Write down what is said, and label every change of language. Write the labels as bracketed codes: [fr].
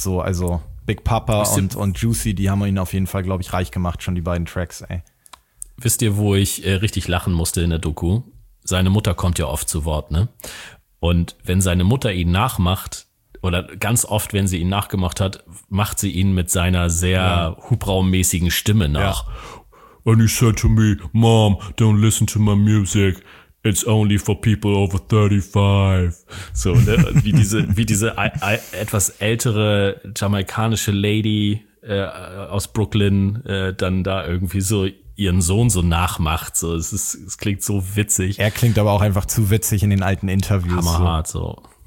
[de] So also Big Papa und Juicy, die haben ihn auf jeden Fall, glaube ich, reich gemacht, schon die beiden Tracks. Ey. Wisst ihr, wo ich richtig lachen musste in der Doku? Seine Mutter kommt ja oft zu Wort, ne? Und wenn seine Mutter ihn nachmacht, oder ganz oft, wenn sie ihn nachgemacht hat, macht sie ihn mit seiner sehr hubraummäßigen Stimme nach. Ja. [en] And he said to me, Mom, don't listen to my music. It's only for people over 35. [de] So, ne? wie diese etwas ältere jamaikanische Lady aus Brooklyn dann da irgendwie so ihren Sohn so nachmacht. So, es klingt so witzig. Er klingt aber auch einfach zu witzig in den alten Interviews. Hammerhart, so.